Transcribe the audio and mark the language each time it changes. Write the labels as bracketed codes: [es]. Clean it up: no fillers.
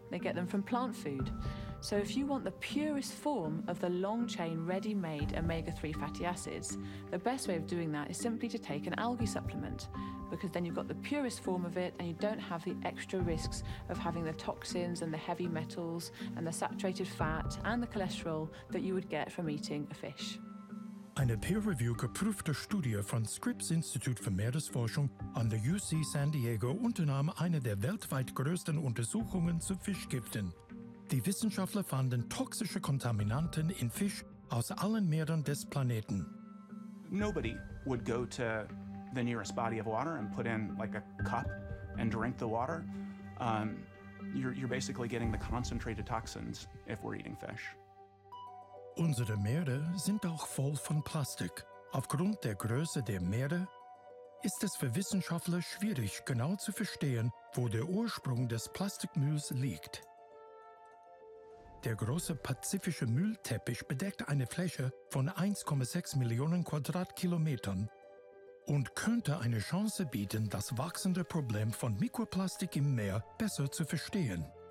[en] They get them from plant food. So if you want the purest form of the long chain ready-made omega-3 fatty acids, the best way of doing that is simply to take an algae supplement, because then you've got the purest form of it and you don't have the extra risks of having the toxins and the heavy metals and the saturated fat and the cholesterol that you would get from eating a fish. [de] Eine peer-reviewed geprüfte Studie von Scripps Institut für Meeresforschung an der UC San Diego unternahm eine der weltweit größten Untersuchungen zu Fischgiften. Die Wissenschaftler fanden toxische Kontaminanten in Fisch aus allen Meeren des Planeten. [en] Nobody would go to the nearest body of water and put in like a cup and drink the water. You're basically getting the concentrated toxins if we're eating fish. [de] Unsere Meere sind auch voll von Plastik. Aufgrund der Größe der Meere ist es für Wissenschaftler schwierig, genau zu verstehen, wo der Ursprung des Plastikmülls liegt. Der große pazifische Müllteppich bedeckt eine Fläche von 1,6 Millionen Quadratkilometern und könnte eine Chance bieten, das wachsende Problem von Mikroplastik im Meer besser zu verstehen.